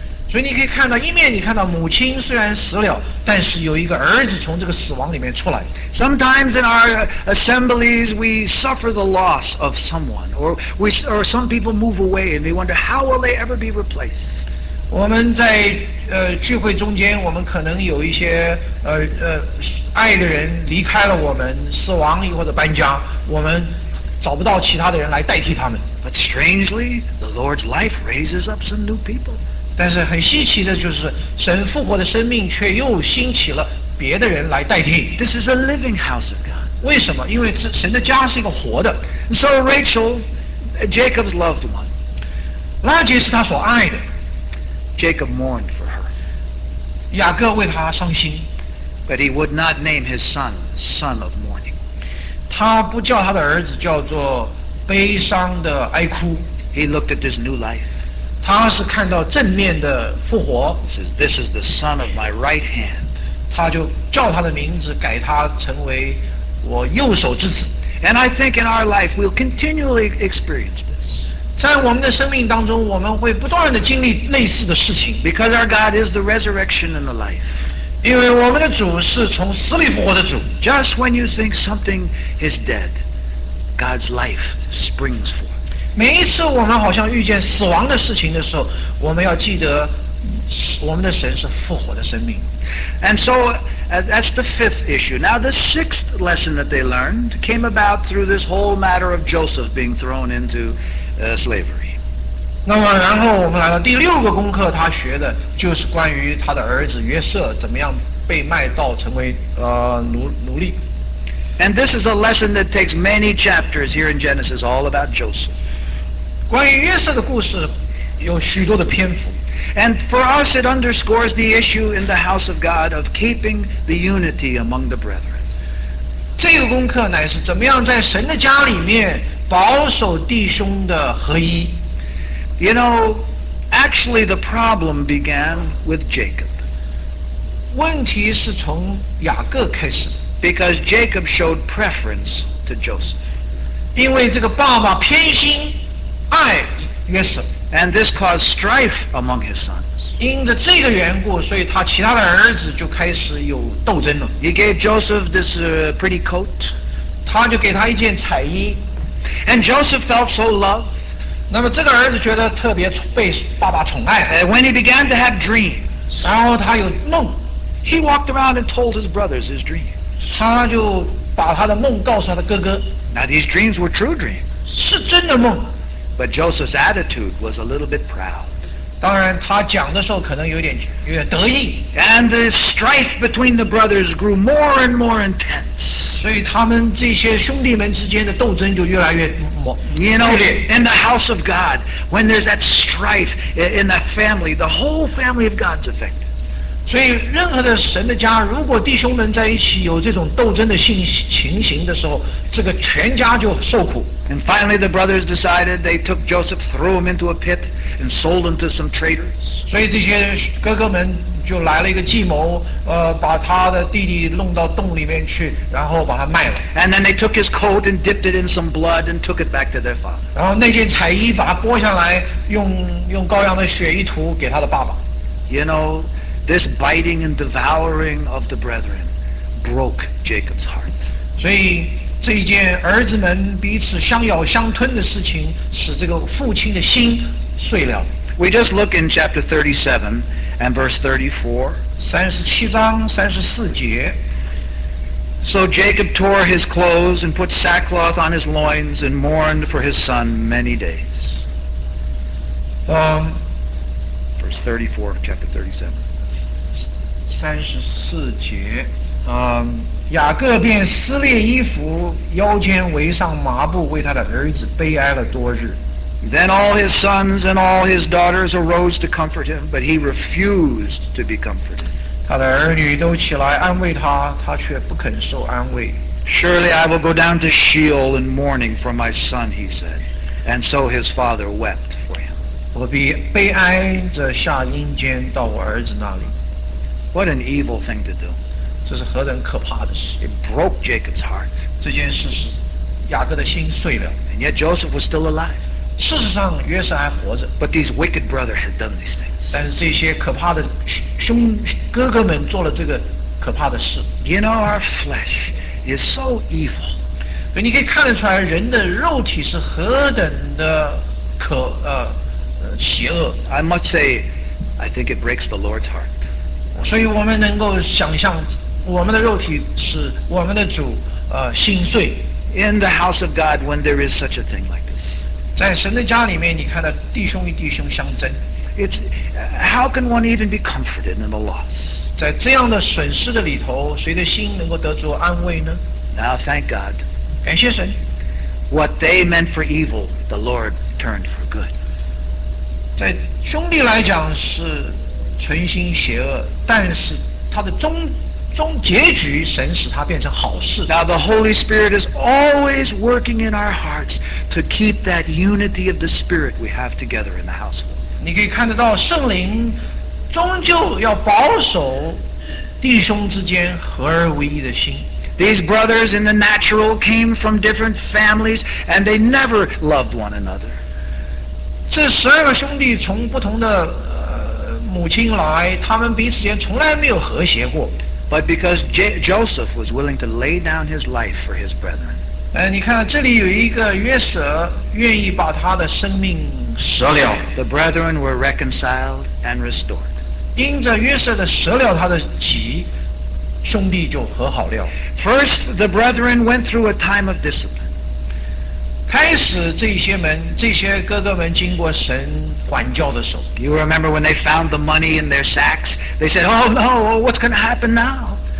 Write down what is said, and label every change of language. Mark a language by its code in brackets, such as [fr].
[zh] 所以你可以看到，一面你看到母亲虽然死了，但是有一个儿子从这个死亡里面出来。 [en] Sometimes in our assemblies, we suffer the loss of someone, or some people move away and they wonder how will they ever be replaced. [zh] 我们在聚会中间，我们可能有一些爱的人离开了我们，死亡或者搬家，我们找不到其他的人来代替他们。 [en] But strangely, the Lord's life raises up some new people. [zh] 但是很稀奇的就是，神复活的生命却又兴起了别的人来代替。 [en] This is a living house of God. [zh] 为什么？因为神的家是一个活的。 [en] And so Rachel, Jacob's loved one. [zh] 拉结是他所爱的。 [en] Jacob mourned for her. [zh] 雅各为他伤心。 [en] But he would not name his son, son of mourning. [zh] 他不叫他的儿子叫做悲伤的哀哭。 [en] He looked at this new life. [zh] 他是看到正面的复活。 [en] He says, this is the son of my right hand. [zh] 他就叫他的名字改他成为我右手之子。 [en] And I think in our life we'll continually experience this. [zh] 在我们的生命当中，我们会不断地经历类似的事情。 [en] Because our God is the resurrection and the life. [zh] 因为我们的主是从死里复活的主。 [en] Just when you think something is dead, God's life springs forth. [zh] 每一次我们好像遇见死亡的事情的时候，我们要记得我们的神是复活的生命。 [en] And so, that's the fifth issue. Now, the sixth lesson that they learned came about through this whole matter of Joseph being thrown into... slavery. [zh] 那么然后我们来到第六个功课，他学的就是关于他的儿子约瑟怎么样被卖到成为奴隶。 [en] And this is a lesson that takes many chapters here in Genesis all about Joseph. [zh] 关于约瑟的故事有许多的篇幅。 [en] And for us it underscores the issue in the house of God of keeping the unity among the brethren. [zh] 这个功课乃是怎么样在神的家里面保守弟兄的合一。 [en] You know, actually the problem began with Jacob. [zh] 问题是从雅各开始。 [en] Because Jacob showed preference to Joseph. [zh] 因为这个爸爸偏心爱约瑟。 [en] And this caused strife among his sons. [zh] 因着这个缘故，所以他其他的儿子就开始有斗争了。 [en] He gave Joseph this pretty coat. [zh] 他就给他一件彩衣。 [en] And Joseph felt so loved. [zh] 那么这个儿子觉得特别被爸爸宠爱。 [en] When he began to have dreams, [zh] 然后他有梦。 [en] He walked around and told his brothers his dreams. [zh] 他就把他的梦告诉他的哥哥。 [en] Now these dreams were true dreams. [zh] 是真的梦。 [en] But Joseph's attitude was a little bit proud. [zh] 当然他讲的时候可能有点得意。 [en] And the strife between the brothers grew more and more intense. [zh] 所以他们这些兄弟们之间的斗争就越来越猛。 [en] You know, in the house of God, when there's that strife in the family, the whole family of God's affected. [zh] 所以任何的神的家，如果弟兄们在一起有这种斗争的情形的时候，这个全家就受苦。 [en] And finally, the brothers decided they took Joseph, threw him into a pit, and sold him to some traders. [zh] 所以这些哥哥们就来了一个计谋，把他的弟弟弄到洞里面去，然后把他卖了。 [en] And then they took his coat and dipped it in some blood and took it back to their father. [zh] 然后那件彩衣把它剥下来，用羔羊的血一涂给他的爸爸。 [en] You know, this biting and devouring of the brethren broke Jacob's heart. [zh] 所以这一件儿子们彼此相咬相吞的事情，使这个父亲的心碎了。 [en] We just look in chapter 37 and verse 34. [zh] 37章34节。 [en] So Jacob tore his clothes and put sackcloth on his loins and mourned for his son many days. Verse 34 of chapter 37. [zh] 34节。雅各便撕裂衣服，腰间围上麻布，为他的儿子悲哀了多日。 [en] Then all his sons and all his daughters arose to comfort him, but he refused to be comforted. [zh] 他的儿女都起来安慰他，他却不肯受安慰。 [en] Surely I will go down to Sheol in mourning for my son, he said. And so his father wept for him. [zh] 我必悲哀着下阴间到我儿子那里。 [en] What an evil thing to do. [zh] 这是何等可怕的事。 [en] It broke Jacob's heart. [zh] 这件事是雅各的心碎了。 [en] And yet Joseph was still alive. [zh] 事实上约瑟还活着。 [en] But these wicked brothers had done these things. [zh] 但是这些可怕的兄哥哥们做了这个可怕的事。 [en] You know our flesh is so evil. [zh] 所以你可以看得出来人的肉体是何等的可邪恶。 [en] I must say, I think it breaks the Lord's heart. [zh] 所以我们能够想象我们的肉体使我们的主心碎。 [en] In the house of God, when there is such a thing like this. [zh] 在神的家里面，你看到弟兄与弟兄相争。 [en] It's, how can one even be comforted in the loss? [zh] 在这样的损失的里头，谁的心能够得着安慰呢？ [en] Now thank God. [zh] 感谢神。 [en] What they meant for evil, the Lord turned for good. [zh] 在兄弟来讲是存心邪恶，但是他的终结局神使他变成好事。 [en] Now the Holy Spirit is always working in our hearts to keep that unity of the Spirit we have together in the household. [zh] 你可以看得到圣灵终究要保守弟兄之间合而为一的心。 [en] These brothers in the natural came from different families and they never loved one another. [zh] 这十二个兄弟从不同的母亲来，他们彼此间从来没有和谐过。 [en] But because Joseph was willing to lay down his life for his brethren. [zh] 你看这里有一个约瑟愿意把他的生命舍了。 [en] The brethren were reconciled and restored. [zh] 因着约瑟的舍了他的己，兄弟就和好了。 [en] First, the brethren went through a time of discipline. [zh] 开始这些哥哥们经过神管教的时候。 [en] You remember when they found the money in their sacks? They said, oh no, what's going to happen now?